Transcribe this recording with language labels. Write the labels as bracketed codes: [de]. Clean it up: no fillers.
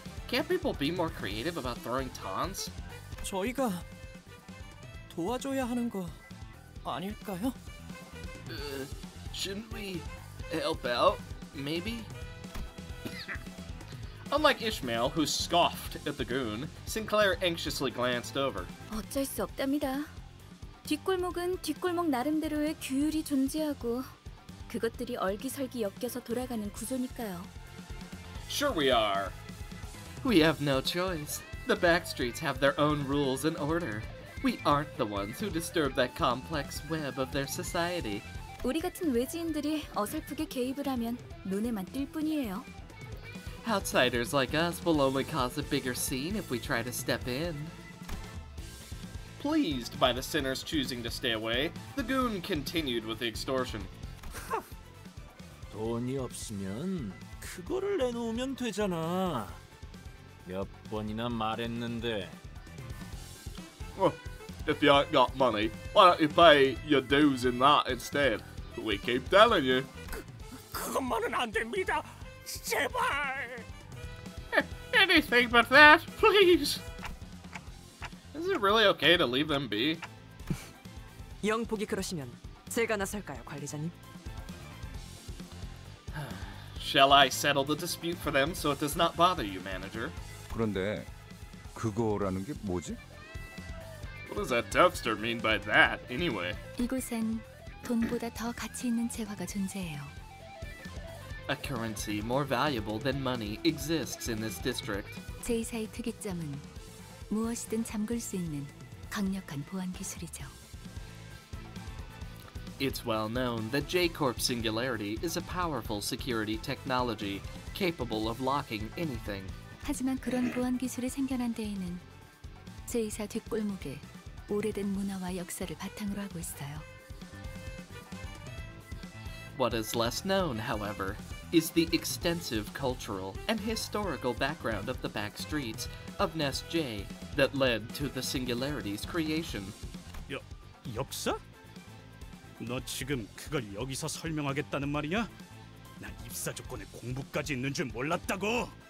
[en] Can't people be more creative about throwing taunts? [ko] 저희가 도와줘야 하는 거 아닐까요? [en] Shouldn't we help out, maybe? Unlike Ishmael, who scoffed at the goon, Sinclair anxiously glanced over. [ko] 어쩔 수 없답니다. 뒷골목은 뒷골목 나름대로의 규율이 존재하고 그것들이 얼기설기 엮여서 돌아가는 구조니까요. [en] Sure we are. We have no choice. The backstreets have their own rules and order. We aren't the ones who disturb that complex web of their society. [ko] 우리 같은 외지인들이 어설프게 개입을 하면 눈에만 띌 뿐이에요. [en] Outsiders like us will only cause a bigger scene if we try to step in. displeased by the sinner's choosing to stay away, the goon continued with the extortion. [ko] 돈이 없으면 그거를 내놓으면 되잖아. 몇 번이나 말했는데. [en] If you ain't got money, why don't you pay your dues in that instead? We keep telling you. [ko] 그것만은 안 됩니다. 제발. [en] Anything but that, please. Is it really okay to leave them be? [ko] 영복이 그러시면 제가 나설까요, 관리자님? [en] Shall I settle the dispute for them so it does not bother you, manager? [ko] 그런데 그거라는 게 뭐지? [en] What does that dumpster mean by that, anyway? [ko] 이곳엔 돈보다 더 가치 있는 재화가 존재해요. [en] A currency more valuable than money exists in this district. [ko] 제이사의 특이점은 무엇이든 잠글 수 있는 강력한 보안 기술이죠. [en] It's well known that J-Corp Singularity is a powerful security technology capable of locking anything. [ko] 하지만 그런 보안 기술이 생겨난 데에는 제이사 뒷골목에 오래된 문화와 역사를 바탕으로 하고 있어요. [en] What is less known, however, is the extensive cultural and historical background of the back streets of Nest J that led to the Singularity's creation. [ko] 역사? 너 지금 그걸 여기서 설명하겠다는 말이냐? 난 입사 조건에 공부까지 있는 줄 몰랐다고!